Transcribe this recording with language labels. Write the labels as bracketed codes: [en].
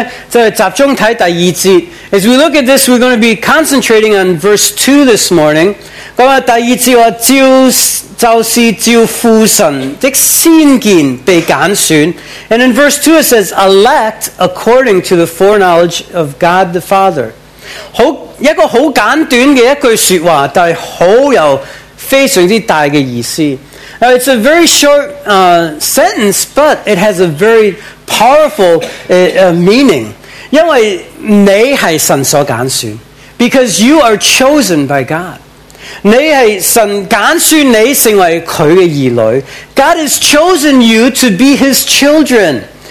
[en] As we look at this, we're going to be concentrating on verse 2 this morning. [zh] 第二節話就是照父神的先見被揀選 [en] And in verse 2 it says, elect according to the foreknowledge of God the Father. [zh] 一個很簡短的一句說話,但是很有非常大的意思。 [en] Now it's a very short sentence, but it has a very powerful meaning. [zh] 因為你是神所揀選, [en] because you are chosen by God. [zh] 你是神揀選你成為祂的兒女, [en] God has chosen you to be His children.